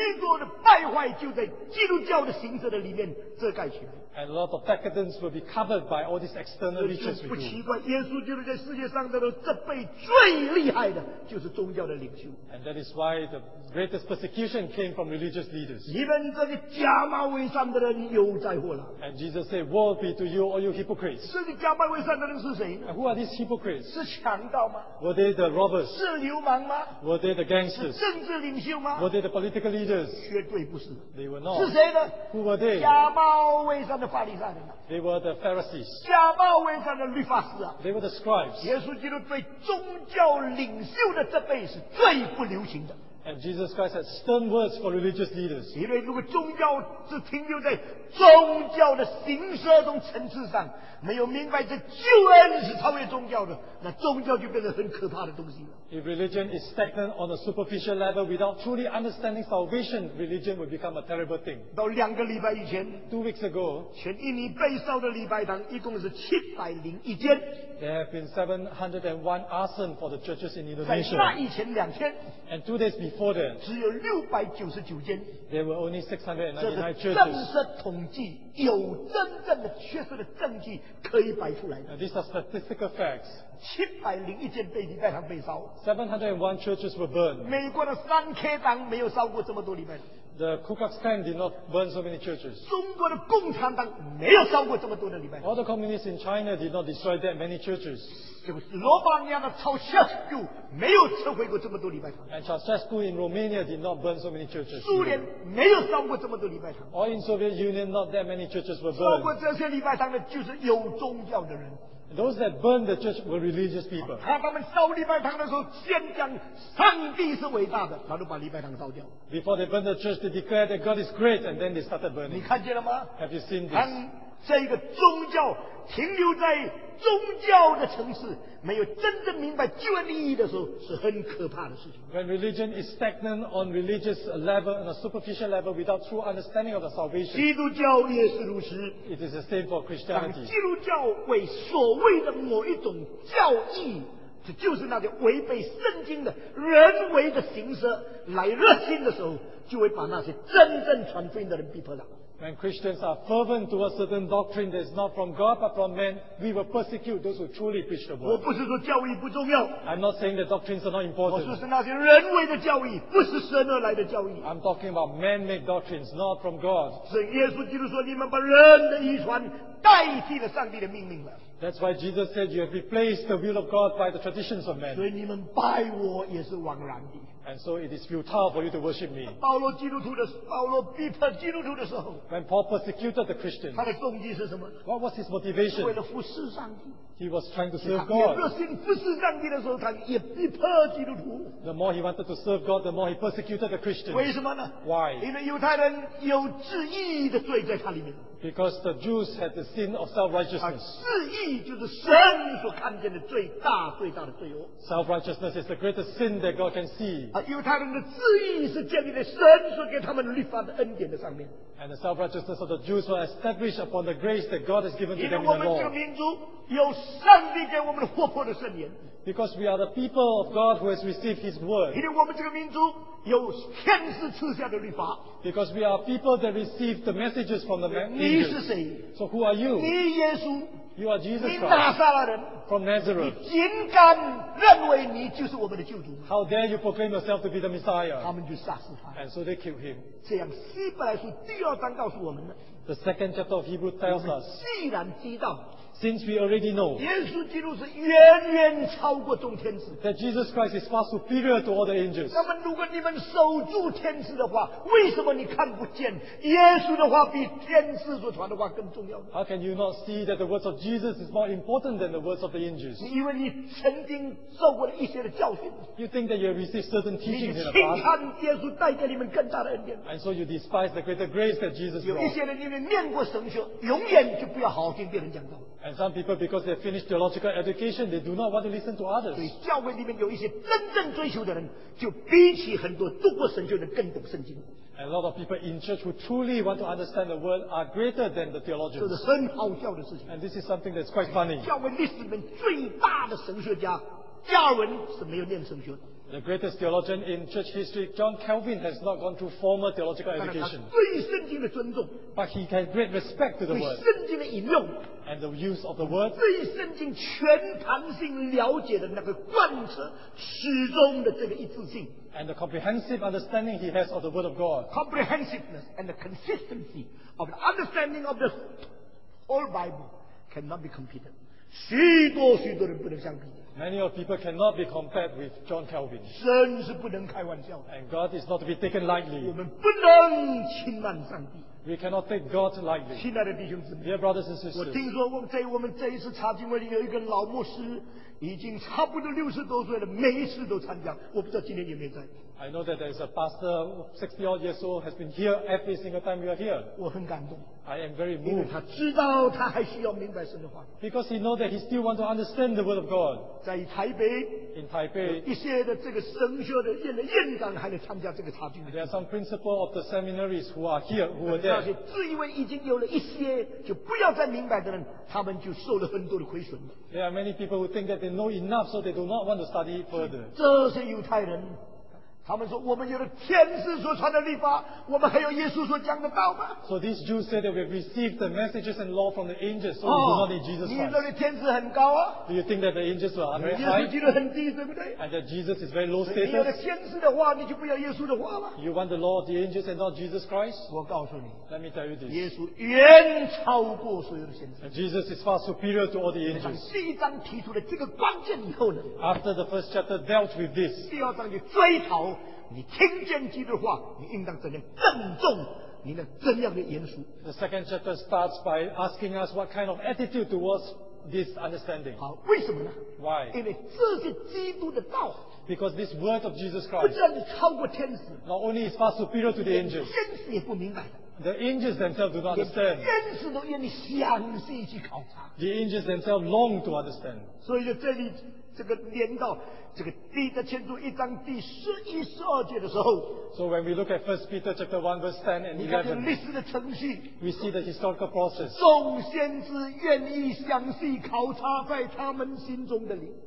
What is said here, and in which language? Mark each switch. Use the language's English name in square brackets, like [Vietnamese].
[Chinese] 许多的败坏就在基督教的形式的里面遮盖起来。 [English] And a lot of decadence will be covered by all these external rituals. [Chinese] 不奇怪，耶稣基督在世界上的时候，这辈最厉害的就是宗教的领袖。 [English] And that is why the greatest persecution came from religious leaders. [Chinese] 连这个假冒伪善的人又灾祸了。 [English] And Jesus said, "Woe be to you, all you hypocrites." [Chinese] 这个假冒伪善的人是谁呢？ [English] And who are these hypocrites? [Chinese] 是强盗吗？ [English] Were they the robbers? [Chinese] 是流氓吗？ [English] Were they the gangsters? [Chinese] 是政治领袖吗？ [English] Were they the political leaders? [Chinese] 绝对不是。 [English] They were not. [Chinese] 是谁呢？ [English] Who were they? [Chinese] 假冒伪善的。 [English] They were the Pharisees. [Chinese] 假冒伪善的律法师啊。 [English] They were the scribes. [Chinese] 耶稣基督对宗教领袖的责备是最不留情的。 [English] And Jesus Christ had stern words for religious leaders. [Chinese] 因为如果宗教只停留在宗教的形式中层次上，没有明白这救恩是超越宗教的，那宗教就变成很可怕的东西了。 [English] If religion is stagnant on a superficial level without truly understanding salvation, religion will become a terrible thing. [Chinese] 到两个礼拜以前， [English] 2 weeks ago, [Chinese] 全印尼被烧的礼拜堂一共是701间。 [English] There have been 701 arson for the churches in Indonesia. [Chinese] 在那以前两天， [English] and 2 days before that, [Chinese] 只有699间。 [English] There were only 699 churches. [Chinese] 这是正式统计，有真正的确实的证据可以摆出来的。 [English] Now, these are statistical facts. [Chinese] 701间被礼拜堂被烧。 [English] 701 churches were burned. [Chinese] 美国的三 K 党没有烧过这么多礼拜。 [English] The Ku Klux Klan did not burn so many churches. [Chinese] 中国的共产党没有烧过这么多的礼拜。 [English] All the communists in China did not destroy that many churches. [Chinese] 就是罗马尼亚的超车库没有摧毁过这么多礼拜堂。 [English] And Ceausescu in Romania did not burn so many churches. [Chinese] 苏联没有烧过这么多礼拜堂。 [English] All in Soviet Union not that many churches were burned. [Chinese] 烧过这些礼拜堂的就是有宗教的人。 [English] Those that burned the church were religious people. [Chinese] 看他们烧礼拜堂的时候，先讲上帝是伟大的，他就把礼拜堂烧掉。 [English] Before they burned the church, they declared that God is great, and then they started burning. [Chinese] 你看见了吗？ [English] Have you seen this? [Chinese] 这个宗教停留在宗教的层次，没有真正明白救恩的意义的时候，是很可怕的事情。 [English] When religion is stagnant on religious level and a superficial level without true understanding of the salvation， [Chinese] 基督教也是如此。 [English] It is the same for Christianity。 [Chinese] 基督教为所谓的某一种教义，这就是那些违背圣经的人为的形式来热心的时候，就会把那些真正传福音的人逼迫了。 [English] When Christians are fervent to a certain doctrine that is not from God but from man, we will persecute those who truly preach the word. [Chinese] 我不是说教义不重要。 [English] I'm not saying that doctrines are not important. [Chinese] 我说是那些人为的教义，不是神而来的教义。 [English] I'm talking about man-made doctrines, not from God. [Chinese] 是耶稣基督说，你们把人的遗传代替了上帝的命令了。 [English] That's why Jesus said you have replaced the will of God by the traditions of men. [Chinese] 所以你们拜我也是枉然的。 [English] And so it is futile for you to worship me. [Chinese] 保罗基督徒的时候，保罗逼迫基督徒的时候， [English] When Paul persecuted the Christians, [Chinese] 他的动机是什么？ [English] What was his motivation? [Chinese] 为了服侍上帝。 [English] He was trying to serve God. [Chinese] 他越热心服侍上帝的时候，他也逼迫基督徒。 [English] The more he wanted to serve God, the more he persecuted the Christians. [Chinese] 为什么呢？ [English] Why? [Chinese] 因为犹太人有自义的罪在他里面。 [English] Because the Jews had the sin of self-righteousness. [Chinese] 自义就是神所看见的最大最大的罪恶。 [English] Self-righteousness is the greatest sin that God can see. [Chinese] 犹太人的自义是建立在神所给他们律法的恩典的上面。 [English] And the self-righteousness of the Jews was established upon the grace that God has given to them in the law. [Chinese] 因为我们这个民族有上帝给我们的活泼的圣言。 [English] Because we are the people of God who has received His word. [Chinese] 因为我们这个民族有天使赐下的律法。 [English] Because we are people that receive the messages from the man. [Chinese] 你是谁？ [English] So who are you? [Chinese] 你耶稣。 [English] You are Jesus Christ. [Chinese] 你拿撒勒人。 [English] From Nazareth. [Chinese] 你竟敢认为你就是我们的救主。 [English] How dare you proclaim yourself to be the Messiah? [Chinese] 他们就杀死他。 [English] And so they killed him. [Chinese] 这样希伯来书第二章告诉我们的。 [English] The second chapter of Hebrews tells us. [Chinese] 既然知道。 [English] Since we already know [Chinese] 耶稣基督是远远超过众天使 [English] that Jesus Christ is far superior to all the angels. [Chinese] 那么如果你们守住天使的话，为什么你看不见耶稣的话比天使所传的话更重要？ [English] How can you not see that the words of Jesus is more important than the words of the angels? [Chinese] 你以为你曾经受过了一些的教训？ [English] You think that you have received certain teachings in the past? [Chinese] 你轻看耶稣带给你们更大的恩典。 [English] And so you despise the greater grace that Jesus brought. [Chinese] 有一些人因为念过神学，永远就不要好好听别人讲道。 [English] And some people, because they finished theological education, they do not want to listen to others. [Chinese] 所以教会里面有一些真正追求的人，就比起很多读过神学的人更懂圣经。 [English] And a lot of people in church who truly want to understand the word are greater than the theologians. [Chinese] 这是很好笑的事情。 [English] And this is something that's quite funny. [Chinese] 教会历史里面最大的神学家加尔文是没有念神学的。 [English] The greatest theologian in church history, John Calvin, has not gone through formal theological education. [Chinese] 对圣经的尊重。 [English] But he has great respect to the word. [Chinese] 对圣经的引用。 [English] And the use of the word. [Chinese] 对圣经全盘性了解的那个贯彻始终的这个一致性。 [English] And the comprehensive understanding he has of the word of God. Comprehensiveness and the consistency of the understanding of the whole Bible cannot be competed. [Chinese] 许多许多人不能相比。 [English] Many of people cannot be compared with John Calvin. [Chinese] 神是不能开玩笑的。 [English] And God is not to be taken lightly. [Chinese] 我们不能轻慢上帝。 [English] We cannot take God lightly. [Chinese] 亲爱的弟兄姊妹。 [English] Dear brothers and sisters. [Chinese] 我听说我们这一次查经会里有一个老牧师，已经差不多60多岁了，每一次都参加，我不知道今天有没有在。 [English] I know that there is a pastor 60-odd years old has been here every single time we are here. [Chinese] 我很感动。 [English] I am very moved. [Chinese] 因为他知道他还需要明白神的话。 [English] Because he knows that he still wants to understand the word of God. [Chinese] 在台北。 [English] In Taipei. [Chinese] 一些的这个神学的院长还来参加这个查经。 [English] There are some principal of the seminaries who are here, who are there. [Chinese] 那些自以为已经有了一些就不要再明白的人，他们就受了很多的亏损。 [English] There are many people who think that they know enough, so they do not want to study further. [Chinese] 这些犹太人。他们说我们有了天使所传的律法，我们还有耶稣所讲的道吗？ [English] So these Jews said that we have received the messages and law from the angels, so we do not need Jesus Christ. [Chinese] 你认为天使很高啊？ [English] Do you think that the angels are very high? [Chinese] 耶稣基督很低，对不对？ [English] And that Jesus is very low status? [Chinese] 你有了天使的话，你就不要耶稣的话吗？ [English] You want the law of the angels and not Jesus Christ? [Chinese] 我告诉你， [English] Let me tell you this. [Chinese] 耶稣远超过所有的先知。 [English] And Jesus is far superior to all the angels. [Chinese] 第一章提出了这个关键以后呢？ [English] After the first chapter dealt with this. [Chinese] 第二章就追讨。你听见基督的话，你应当怎样郑重？你的怎样的严肃 [English] ？The second chapter starts by asking us what kind of attitude towards this understanding. [Chinese] 好，为什么呢 [English] ？Why？ [Chinese] 因为这是基督的道。 [English] Because this word of Jesus Christ [Chinese] 不只是超过天使 [English] ，not only is far superior to the angels， [Chinese] 天使也不明白。 [English] The angels themselves do not understand. [Chinese] 连天使都愿意详细去考察。 [English] The angels themselves long to understand. [Chinese] 所以就这里, 这个连到, 这个彼得前书一章第十一、十二节的时候, [English] so when we look at 1 Peter chapter 1 verse 10 and 11, [Chinese] 你看这历史的程序, [English] we see the historical process. [Chinese] 众先知愿意详细考察在他们心中的灵。